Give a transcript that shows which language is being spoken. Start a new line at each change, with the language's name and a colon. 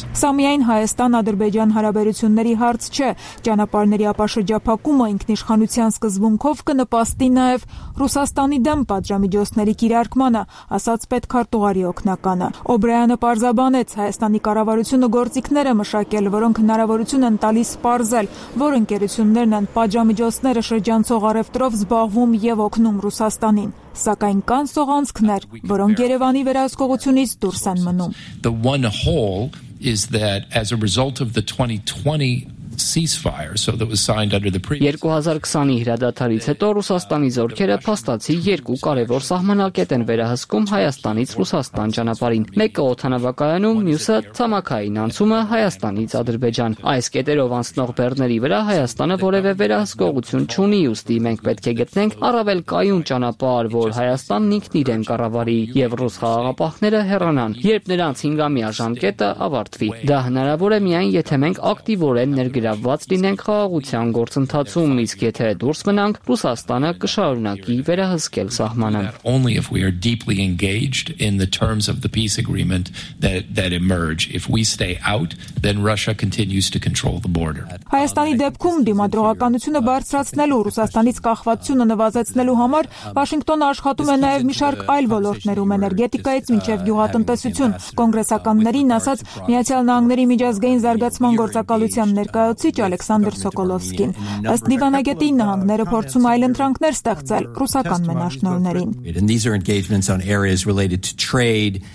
Armenian: Սա միայն Հայաստան-Ադրբեջան հարաբերությունների հարց չէ, ճանապարհների ապաշրջափակումը ինքնիշխանության սկզբունքով կնպաստի նաև Ռուսաստանի դեմ պատժամիջոցների կիրարկմանը, ասաց պետքարտուղարի օգնական։ Օ'Բրայանը պարզաբանեց, Հայաստանի կառավարությունը գործիքներ է մշակել, որոնք հնարավորություն են տալիս սպառզել, որ ընկերություններն են պատժամիջոցները շրջանցող առևտրով զբաղվում և օգնում Ռուսաստանին, սակայն կան սողանցքներ, որոնք Երևանի վերահսկողությունից դուրս են մնում։
English: The one hole is that as a result of the 2020 ceasefire, so that was signed under the previous.
Armenian: 2020-ի հրադադարից հետո Ռուսաստանի զորքերը փաստացի երկու կարևոր սահմանակետ են վերահսկում Հայաստանից Ռուսաստան ճանապարհին. Մեկը օթանավակայանում, մյուսը ցամաքային անցումը Հայաստանից Ադրբեջան։ Այս կետերով անցնող բեռների վրա Հայաստանը որևէ վերահսկողություն չունի, ուստի մենք պետք է գտնենք առավել կայուն ճանապարհ, որ Հայաստանն ինքն իրեն կառավարի եւ ռուս խաղաղապահները հեռանան, երբ նրանց 5-ամյա ժամկետը ավարտվի։ Դա հնարավոր է միայն եթե մենք ակտիվորեն ներգրավված լինենք խաղաղության գործընթացում, իսկ եթե դուրս մնանք, Ռուսաստանը կշարունակի վերահսկել սահմանը։
English: Only if we are deeply engaged in the terms of the peace agreement that emerge, if we stay out, then Russia continues to control the border.
Armenian: Հայաստանի դեպքում դիմադրողականությունը բարձրացնելու Ռուսաստանից կախվածությունը նվազեցնելու համար Վաշինգտոնը աշխատում է նաև մի շարք այլ ոլորտներում, էներգետիկայից մինչև գյուղատնտեսություն։ Կոնգրեսականներին ասաց Միացյալ Նահանգների միջազգային զարգացման գործակալության ներկայացուցիչ Ալեքսանդր Սոկոլովսկին։ Ըստ դիվանագետի, նահանգները փորձում այլ ընտրանքներ ստեղծել ռուսական մենաշնորներին։